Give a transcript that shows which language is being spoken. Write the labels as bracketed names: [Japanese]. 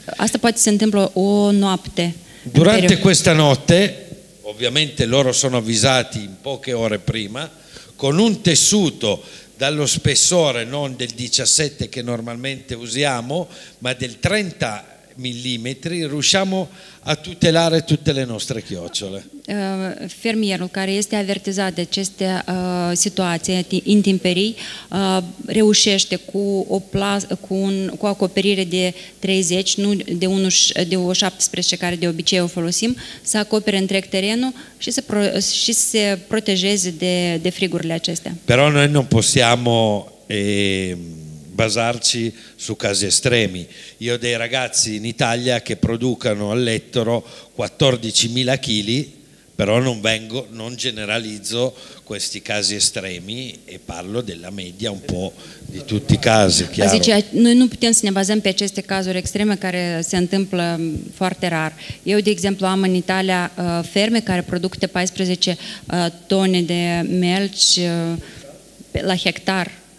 [Romanian] Asta poate se întâmplă o noapte. [Italian] Durante questa notte, ovviamente loro sono avvisati in poche ore prima, con un tessuto dallo spessore non del 17 che normalmente usiamo, ma del 30 mm, riusciamo a tutelare tutte le nostre chiocciole. [Romanian] Fermierul care este avertizat de aceste situații intemperii reușește cu o acoperire de 30, nu de o 17 care de obicei o folosim, să acopere întreg terenul și să se protejeze de frigurile acestea. [Italian] Però noi non possiamo basarci su casi estremi. Io ho dei ragazzi in Italia che producono all'estero 14.000 kg, però non generalizzo questi casi estremi e parlo della media un po' di tutti i casi, chiaro. [Romanian] Zice, noi non putem să ne bazăm pe aceste cazuri extreme care se întâmplă foarte rar. Eu, de exemplu, am în Italia ferme care produc 14 tone de melci la hectar.